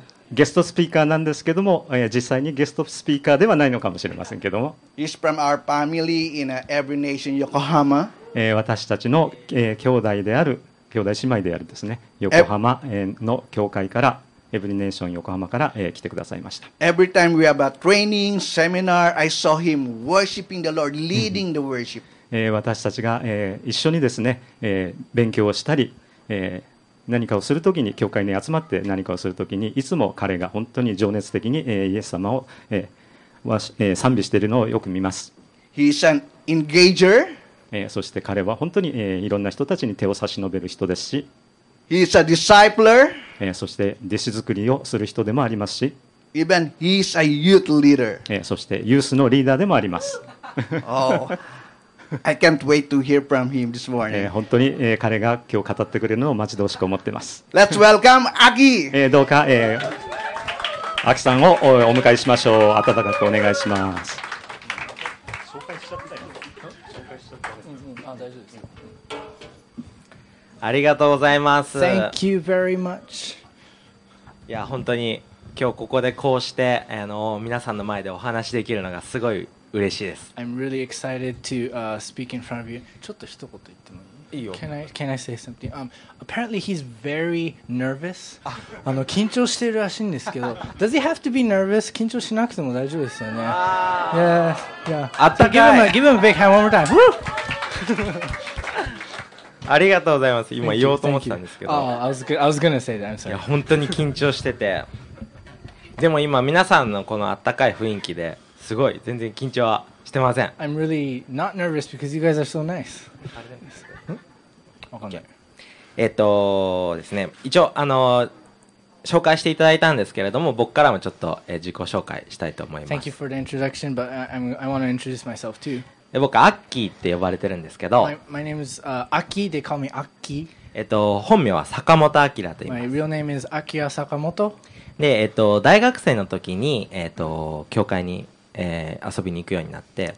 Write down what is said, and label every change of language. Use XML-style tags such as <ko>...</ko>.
<ja>ゲストスピーカーなんですけども、実際にゲストスピーカーではないのかもしれませんけども。</ja> <en>He's from our family in every nation Yokohama.</en> <ja>私たちの、兄弟である、兄弟姉妹であるですね、横浜、の教会から、エブリネーション横浜から、来てくださいました。</ja> <en>Every time we have a training, seminar, I saw him worshiping the Lord, leading the worship.</en> <ja>私たちが、一緒にですね、勉強をしたり、何かをするときに教会に集まって何かをするときにいつも彼が本当に情熱的にイエス様を賛美しているのをよく見ます。</ja> <en>He's an engager.</en> <ja>そして彼は本当にいろんな人たちに手を差し伸べる人ですし、</ja> <en>He's a discipler.</en> <ja>そして弟子作りをする人でもありますし、</ja> <en>Even he's a youth leader.</en> <ja>そしてユースのリーダーでもあります。 Oh.</ja> <en>I can't wait to hear from him this morning.</en> <ja>本当に、彼が今日語ってくれるのを待ち遠しく思ってます。</ja> <en>Let's welcome Aki.</en> <ja>どうか、Aki さんをお迎えしましょう。温かくお願いします。紹介しちゃったよ。紹介しちゃった。大丈夫です。ありがとうございます。</ja> <en>Thank you very much.</en> <ja>いや本当に今日ここでこうして皆さんの前でお話できるのがすごい。嬉しいです。</ja> <en>I'm really excited to speak in front of you.</en> <ja>ちょっと一言言ってもいい？いいよ。</ja> <en>Can I say something? Apparently he's very nervous.</en> <ja>緊張してるらしいんですけど。</ja> <en>Does he have to be nervous?</en> <ja>緊張しなくても大丈夫ですよね。</ja> <en>Yeah.</en> <ja>あったかい。</ja> <en>Give him a big hand one more time. Woo!</en> <ja>ありがとうございます。今言おうと思ってたんですけど。</ja> <en>Thank you. I was gonna say that. I'm sorry.</en> <ja>いや本当に緊張してて。でも今皆さんのこのあったかい雰囲気で。すごい全然緊張はしてません。</ja> <en>I'm really not nervous because you guys are so nice.</en> <ja>ですね、一応紹介していただいたんですけれども、僕からもちょっと、自己紹介したいと思います。</ja> <en>Thank you for the introduction, but I want to introduce myself too.</en> <ja>僕アッキーって呼ばれてるんですけど。</ja> <en>My name is Aki. They call me Aki.</en> <ja>本名は坂本明と言います。</ja> <en>My real name is Akiya Sakamoto.</en> <ja>で大学生の時に教会に遊びに行くようになって、</ja>